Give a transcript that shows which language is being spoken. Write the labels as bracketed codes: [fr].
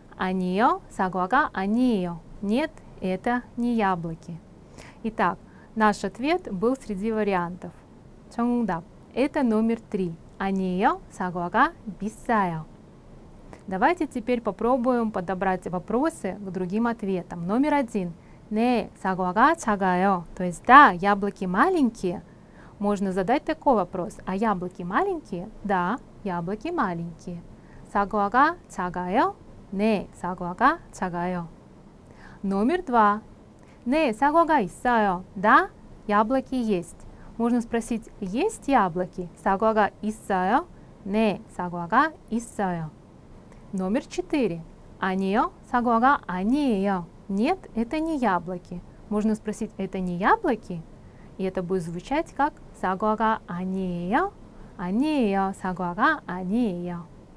[ko] 아니요, 사과가 아니에요. [ru] Нет, это не яблоки. Итак, наш ответ был среди вариантов. [ko] 정답. [ru] Это номер 3. [ko] 아니요, 사과가 비싸요. [ru] Давайте теперь попробуем подобрать вопросы к другим ответам. [ko] Номер 1. 네, 사과가 작아요. [ru] То есть, да, яблоки маленькие. Можно задать такой вопрос. А яблоки маленькие? Да, яблоки маленькие. [ko] 사과가 작아요? 네, 사과가 작아요. Номер 2. 네, 사과가 있어요. [ru] Да, яблоки есть. Можно спросить, есть яблоки? [ko] 사과가 있어요? 네, 사과가 있어요. Номер 4. 아니요, 사과가 아니에요. [ru] Нет, это не яблоки. Можно спросить, это не яблоки? И это будет звучать как [ko] 사과가 아니에요. 아니에요, 사과가 아니에요.